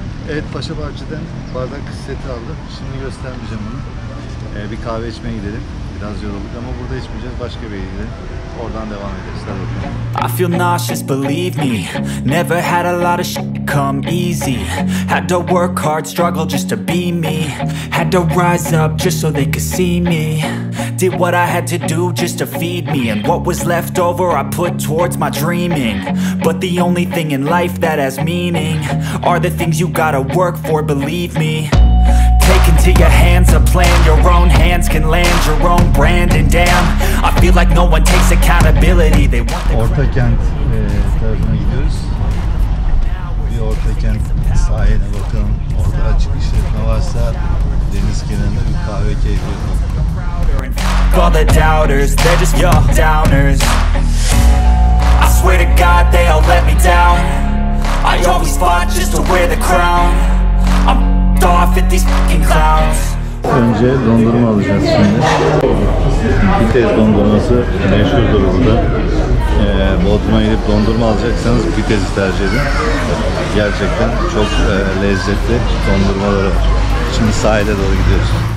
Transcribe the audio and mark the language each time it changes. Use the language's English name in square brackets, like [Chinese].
[Turkish] Evet, Paşabahçe'den bardak seti aldım. Şimdi göstermeyeceğim onu. Bir kahve içmeye gidelim. Biraz yorulduk ama burada içmeyeceğiz. Başka bir yere. Oradan devam edeceğiz. Hadi bakalım. [English] I feel nauseous, believe me. Never had a lot of shit come easy. Had to work hard, struggle just to be me. Had to rise up just so they could see me. Did what I had to do just to feed me. And what was left over I put towards my dreaming. But the only thing in life that has meaning are the things you gotta work for, believe me. Take into your hands a plan. Your own hands can land your own brand. And damn, I feel like no one takes accountability. They want the [Turkish] Orta kent tarafına gidiyoruz. Bir orta kent sahiline bakalım. Orada açık işletme varsa deniz kenarında bir kahve keyfi yapalım. [English] All the doubters, they're just your downers. I swear to God they all let me down. I always fought just to wear the crown. I'm f***ed off at these f***ing clowns. [Turkish] Önce dondurma alacağız şimdi. Bitez dondurması meşhurdur burada. Bodrum'a gidip dondurma alacaksanız Bitez'i tercih edin. Gerçekten çok lezzetli dondurmaları var. Şimdi sahile doğru gidiyoruz.